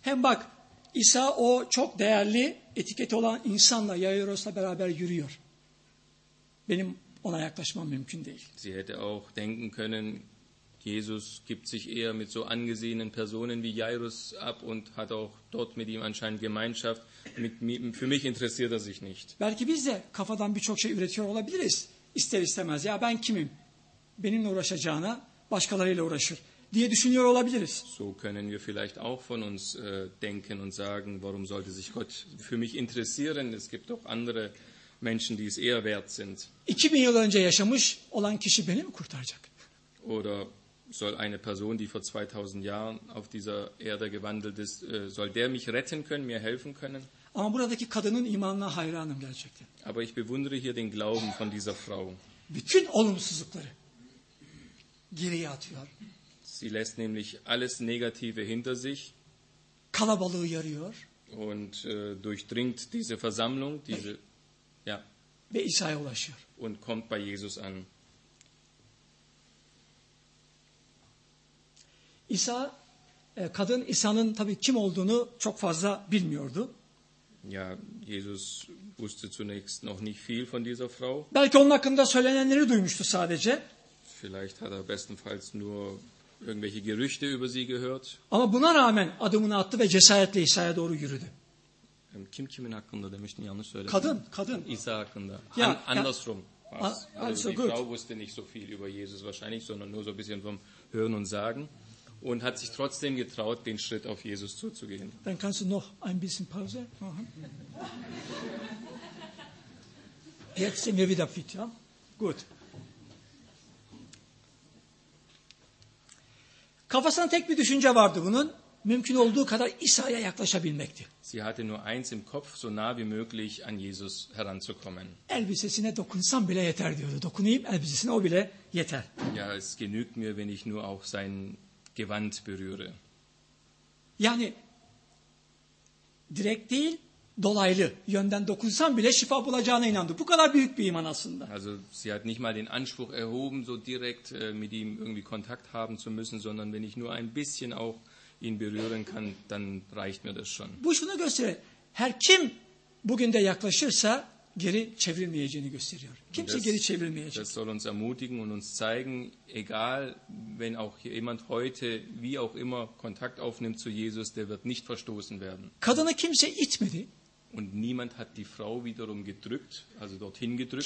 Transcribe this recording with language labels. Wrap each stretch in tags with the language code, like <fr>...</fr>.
<tr>Hem bak, İsa o çok değerli etiketi olan insanla Yairos'la beraber yürüyor. Benim ona yaklaşmam mümkün değil.</tr> <de>Sie hätte auch denken können, Jesus gibt sich eher mit so angesehenen Personen wie Jairus ab und hat auch dort mit ihm anscheinend Gemeinschaft. Für mich interessiert er sich nicht.</de> <tr>Belki biz de kafadan birçok şey üretiyor olabiliriz. İster istemez ya ben kimim? Benimle uğraşacağına başkalarıyla uğraşır diye düşünüyor olabiliriz.</tr> <de>So können wir vielleicht auch von uns denken und sagen, warum sollte sich Gott für mich interessieren? Es gibt auch andere Menschen, die es eher wert sind.</de> <tr>2000 yıl önce yaşamış olan kişi beni mi kurtaracak?</tr> <de>Oder soll eine Person, die vor 2000 Jahren auf dieser Erde gewandelt ist, soll der mich retten können, mir helfen können?</de> <tr>Ama buradaki kadının imanına hayranım gerçekten.</tr> <de>Aber ich bewundere hier den Glauben von dieser Frau.</de> <tr>Bütün olumsuzlukları geriye atıyor.</tr> <de>Sie lässt nämlich alles Negative hinter sich.</de> <tr>Kalabalığı yarıyor.</tr> <de>Und durchdringt diese Versammlung, diese ja.</de> <tr>Ve İsa'ya ulaşıyor.</tr> <de>Und kommt bei Jesus an.</de> <tr>İsa, kadın İsa'nın tabii kim olduğunu çok fazla bilmiyordu.</tr> <de>Ja, Jesus wusste zunächst noch nicht viel von dieser Frau.</de> <tr>Belki onun hakkında söylenenleri duymuştu sadece.</tr> <de>Vielleicht hat er bestenfalls nur irgendwelche Gerüchte über sie gehört.</de> <tr>Ama buna rağmen adımını attı ve cesaretle İsa'ya doğru yürüdü. Kim kimin hakkında demiştin, yanlış söyledim. Kadın. İsa hakkında.</tr> <de>Ja, andersrum. Also die gut. Frau wusste nicht so viel über Jesus wahrscheinlich, sondern nur so ein bisschen vom Hören und Sagen. Und hat sich trotzdem getraut, den Schritt auf Jesus zuzugehen. Dann kannst du noch ein bisschen Pause machen. Jetzt sind wir wieder fit, ja? Gut.</de> <tr>Kafasında tek bir düşünce vardı bunun. Mümkün olduğu kadar İsa'ya yaklaşabilmekti.</tr> <de>Sie hatte nur eins im Kopf, so nah wie möglich an Jesus heranzukommen.</de> <tr>Elbisesine dokunsam bile yeter diyordu. Dokunayım elbisesine o bile yeter.</tr> <de>Ja, es genügt mir, wenn ich nur auch sein Gewand berühre.</de> <tr>Yani direkt değil, dolaylı yönden dokunsam bile şifa bulacağına inandı. Bu kadar büyük bir iman aslında.</tr> <de>Also sie hat nicht mal den Anspruch erhoben, so direkt mit ihm irgendwie Kontakt haben zu müssen, sondern wenn ich nur ein bisschen auch ihn berühren kann, dann reicht mir das schon.</de> <tr>Bu şunu gösterir. Her kim bugün de yaklaşırsa geri çevrilmeyeceğini gösteriyor. Kimse geri çevrilmeyecek.</tr> <de>Das soll uns ermutigen und uns zeigen, egal wenn auch jemand heute wie auch immer Kontakt aufnimmt zu Jesus, der wird nicht verstoßen werden.</de> <tr>Kadını kimse itmedi.</tr> <de>Und niemand hat die Frau wiederum gedrückt, also dorthin gedrückt.</de>